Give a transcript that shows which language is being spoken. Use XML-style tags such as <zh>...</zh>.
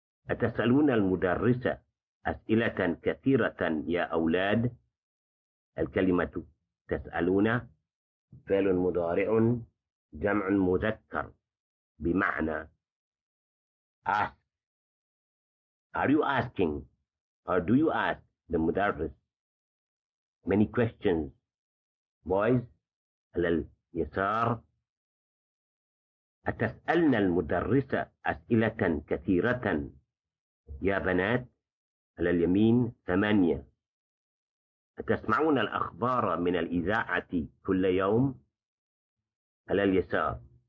<ar>أتسألون المدرسة أسئلة كثيرة يا أولاد؟ الكلمة تسألون فعل مضارع جمع مذكر بمعنى ask.</ar> <en>Are you asking or do you ask the mudarris many questions, boys?</en> <ar>على اليسار. أتسألنا المدرسة أسئلة كثيرة يا بنات؟ على اليمين. ثمانية. أتسمعون الأخبار من الإذاعة كل يوم؟ على اليسار.</ar>